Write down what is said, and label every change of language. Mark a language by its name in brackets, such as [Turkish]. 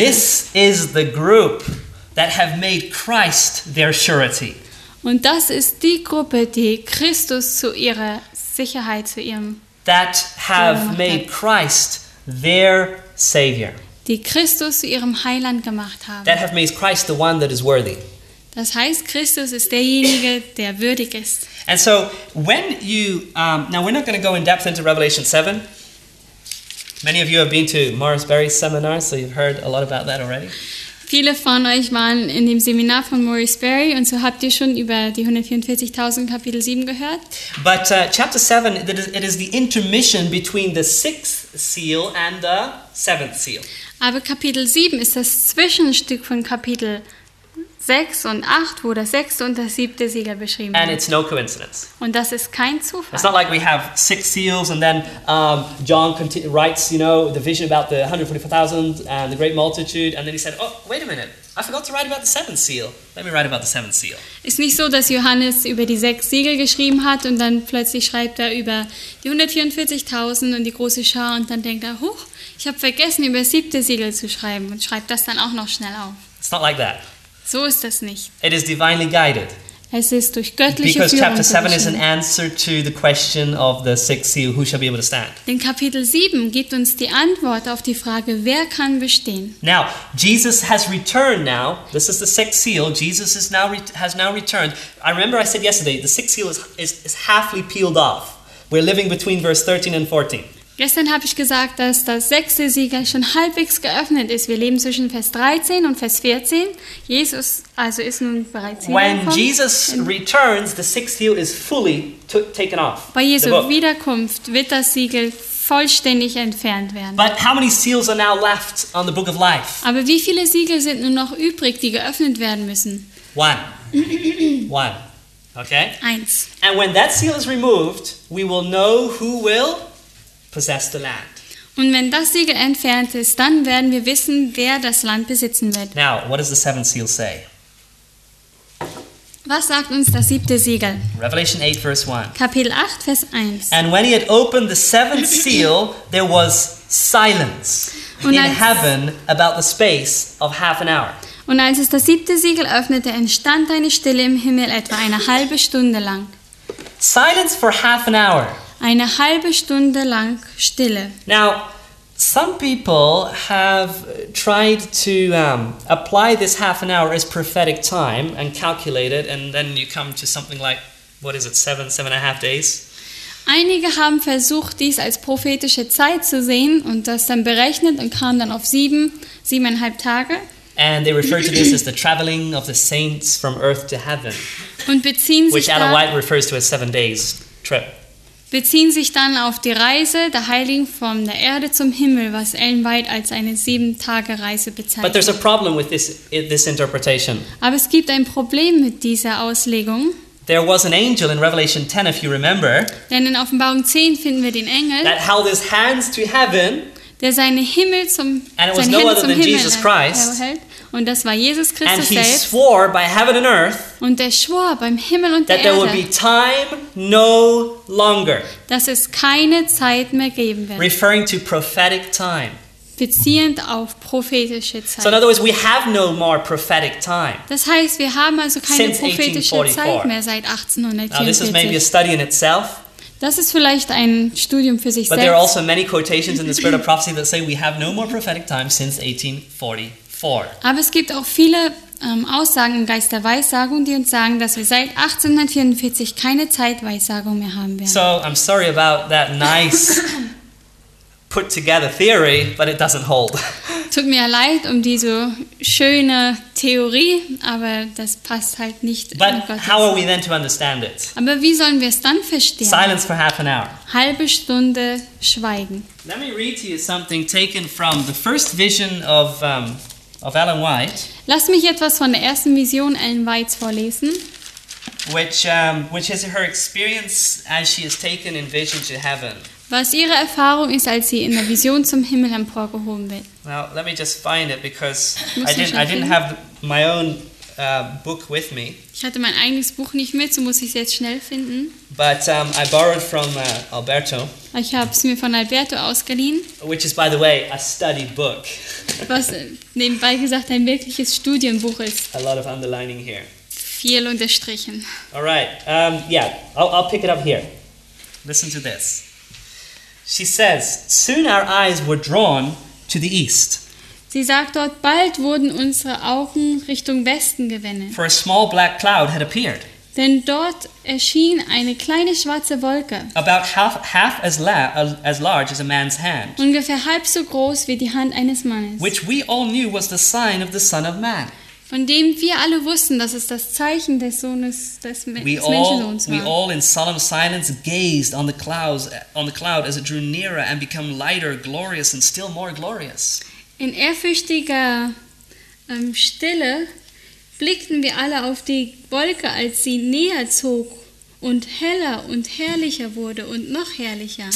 [English] And this is the group that have made Christ their surety. [German] Und das ist die Gruppe, die Christus zu ihrer Sicherheit, zu ihrem [English] that have made Christ their savior. [German] Die Christus zu ihrem Heiland gemacht haben. [English] That have made Christ the one that is worthy. [German] Das heißt, Christus ist derjenige, der würdig ist. [English] And so when you now we're not going to go in depth into Revelation 7. Many of you have been to Morris Berry's seminar, so you've heard a lot about that already. [German] Viele von euch waren in dem Seminar von Morris Berry und so habt ihr schon über die 144,000 Kapitel 7 gehört. [English] But chapter 7, it is the intermission between the sixth seal and the seventh seal. [German] Aber Kapitel 7 ist das Zwischenstück von Kapitel 6 und 8, wo das sechste und das siebte Siegel beschrieben wird. [English] And it's no coincidence. [German] Und das ist kein Zufall. [English] It's not like we have six seals and then John writes, you know, the vision about the 144,000 and the great multitude and then he said, oh, wait a minute, I forgot to write about the seventh seal. Let me write about the seventh seal. [German] Ist nicht so, dass Johannes über die sechs Siegel geschrieben hat und dann plötzlich schreibt er über die 144,000 und die große Schar und dann denkt er, huch, ich habe vergessen, über das siebte Siegel zu schreiben und schreibt das dann auch noch schnell auf. [English] It's not like that. [German] So ist das nicht. [English] It is divinely guided. [German] Es ist durch göttliche Führung. [English] Because chapter 7 is an answer to the question of the sixth seal, who shall be able to stand. [German] Denn Kapitel 7 gibt uns die Antwort auf die Frage, wer kann bestehen. [English] Now, Jesus has returned now. This is the sixth seal. Jesus has now returned. I remember I said yesterday, the sixth seal is halfly peeled off. We're living between verse 13 and 14. [German] Gestern habe ich gesagt, dass das sechste Siegel schon halbwegs geöffnet ist. Wir leben zwischen Vers 13 und Vers 14. Jesus also ist nun bereits hier. [English] When Jesus returns, the sixth seal is fully taken off. [German] Bei Jesu Wiederkunft wird das Siegel vollständig entfernt werden. [English] But how many seals are now left on the book of life? [German] Aber wie viele Siegel sind nun noch übrig, die geöffnet werden müssen? [English] One. One. Okay? [German] Eins. [English] And when that seal is removed, we will know who will possess the land. [German] Und wenn das Siegel entfernt ist, dann werden wir wissen, wer das Land besitzen wird. [English] Now, what does the seventh seal say? [German] Was sagt uns das siebte Siegel? [English] Revelation 8, verse 1. [German] Kapitel 8, Vers 1. [English] And when he had opened the seventh seal, there was silence in heaven about the space of half an hour. [German] Und als es das siebte Siegel öffnete, entstand eine Stille im Himmel etwa eine halbe Stunde lang. [English] Silence for half an hour. [German] Eine halbe Stunde lang Stille. [English] Now, some people have tried to apply this half an hour as prophetic time and calculate it, and then you come to something like, what is it, seven and a half days? [German] Einige haben versucht, dies als prophetische Zeit zu sehen und das dann berechnet und kamen dann auf siebeneinhalb Tage. [English] And they refer to this as the traveling of the saints from earth to heaven. [German] Und beziehen sich [English] which Anna White refers to as 7 days trip. [German] Beziehen sich dann auf die Reise der Heiligen von der Erde zum Himmel, was Ellen White als eine 7-Tage-Reise bezeichnet. [English] But there's a problem with this interpretation. [German] Aber es gibt ein Problem mit dieser Auslegung. [English] There was an angel in Revelation 10, if you remember. [German] Denn in Offenbarung 10 finden wir den Engel, [English] that held his hands to heaven, [German] der seine Himmel zum [English] and it was no other [German] zum [English] than [German] Himmel [English] Jesus Christ. [German] Hält. Und das war Jesus Christus [English] and he [German] selbst. [English] Swore by heaven and earth, [German] und er schwor beim Himmel und der Erde, [English] there would be time no longer, [German] dass es keine Zeit mehr geben wird. [English] Referring to prophetic time. [German] Beziehend auf prophetische Zeit. [English] So in other words, we have no more prophetic time. [German] Das heißt, wir haben also keine prophetische Zeit mehr seit 1844. [English] Now this is maybe a study in itself. [German] Das ist vielleicht ein Studium für sich [English] but [German] selbst. [English] But there are also many quotations in the spirit of prophecy that say we have no more prophetic time since 1844. [German] Aber es gibt auch viele Aussagen im Geist der Weissagung, die uns sagen, dass wir seit 1844 keine Zeitweissagung mehr haben werden. [English] So, I'm sorry about that nice put together theory, but it doesn't hold. [German] Tut mir leid um diese schöne Theorie, aber das passt halt nicht. [English] But how are we then to understand it? [German] Aber wie sollen wir es dann verstehen? [English] Silence for half an hour. [German] Halbe Stunde Schweigen. [English] Let me read to you something taken from the first vision of Ellen White. [German] Lass mich etwas von der ersten Vision Ellen Whites vorlesen. [English] Which is her experience as she is taken in vision to heaven. [German] was ihre Erfahrung ist, als sie in der Vision zum Himmel emporgehoben wird. [English] Now let me just find it because I didn't have my own book with me. [German] Ich hatte mein eigenes Buch nicht mit, so muss ich es jetzt schnell finden. [English] But I borrowed from Alberto. [German] Ich habe es mir von Alberto ausgeliehen. [English] Which is, by the way, a study book. [German] Was nebenbei gesagt ein wirkliches Studienbuch ist. [English] A lot of underlining here. [German] Viel unterstrichen. [English] All right. I'll pick it up here. Listen to this. She says, "Soon our eyes were drawn to the east." [German] Sie sagt dort, bald wurden unsere Augen Richtung Westen gewendet. [English] "For a small black cloud had appeared." [German] Denn dort erschien eine kleine schwarze Wolke. [English] "About half as large as a man's hand." [German] Ungefähr halb so groß wie die Hand eines Mannes. [English] "Which we all knew was the sign of the Son of Man." [German] Von dem wir alle wussten, dass es das Zeichen des Sohnes des Menschensohns war. [English] "We all in solemn silence gazed on the cloud as it drew nearer and became lighter, glorious and still more glorious." [German] In ehrfürchtiger Stille blickten wir alle auf die Wolke, als sie näher zog und heller und herrlicher wurde und noch herrlicher.